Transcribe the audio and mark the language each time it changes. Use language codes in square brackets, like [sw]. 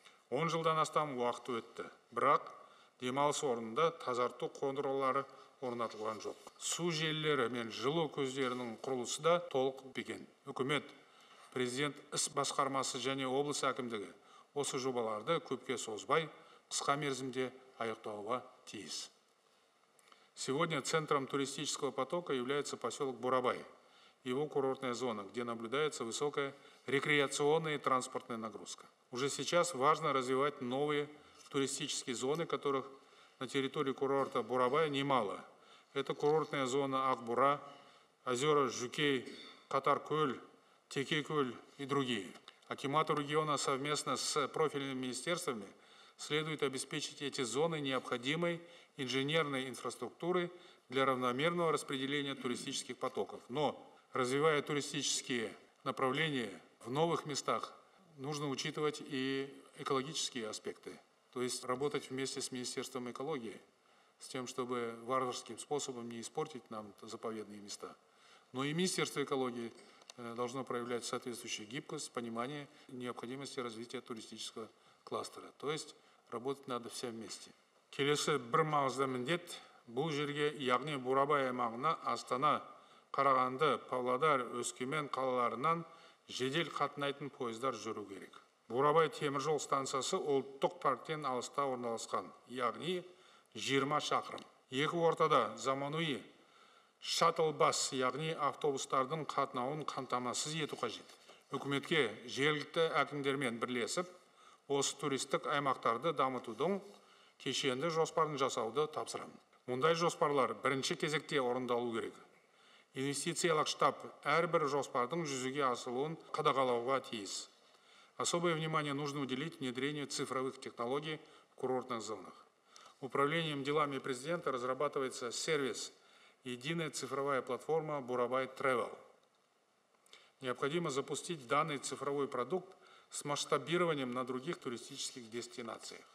[kk] 10 жылдан астам уақыт өтті, бірақ демалыс орнында тазарту қондырғылары орнатылған жоқ. Су желілері мен жылу көздерінің құрылысы да толық біткен. Үкімет, президент іс басқармасы және облыс әкімдігі осы жобаларды көпке созбай, қысқа мерзімде аяқтауға тиіс. [ru] Сегодня центром туристического потока является поселок Бурабай, его курортная зона, где наблюдается высокая рекреационная и транспортная нагрузка. Уже сейчас важно развивать новые туристические зоны, которых на территории курорта Бурабай немало. Это курортная зона Ак-Бура, озера Жукей, Катар-Көл, Текей-Көл и другие. Акимату региона совместно с профильными министерствами следует обеспечить эти зоны необходимой инженерной инфраструктурой для равномерного распределения туристических потоков. Но, развивая туристические направления в новых местах, нужно учитывать и экологические аспекты, то есть работать вместе с Министерством экологии, с тем, чтобы варварским способом не испортить нам заповедные места. Но и Министерство экологии должно проявлять соответствующую гибкость, понимание необходимости развития туристического кластера. То есть работать надо все вместе. [kk] Келесі бір маңызды міндет бұл жерге, яғни Бурабай аймағына Астана, Қарағанды, Павлодар, Өскемен қалаларынан жедел қатынайтын пойыздар жүру керек. Бурабай теміржол станциясы ұлттық парктен алыста орналасқан, яғни 20 шақырым. Екі ортада заманауи шаттл бас, яғни автобустардың қатынауын қамтамасыз ету қажет. Үкіметке жергілікті әкімдермен бірлесіп, осы туристік аймақтарды дамытудың кешенді жоспарын жасауды тапсырамын. Мұндай жоспарлар бірінші кезекте орындалу керек. Инвестициялық штаб әрбір жоспардың жүзеге асылуын қадағалауға тиіс. [ru] Особое внимание нужно уделить внедрению цифровых технологий в курортных зонах. Управлением делами президента разрабатывается сервис «Единая цифровая платформа Бурабай Travel». Необходимо запустить данный цифровой продукт с масштабированием на других туристических дестинациях.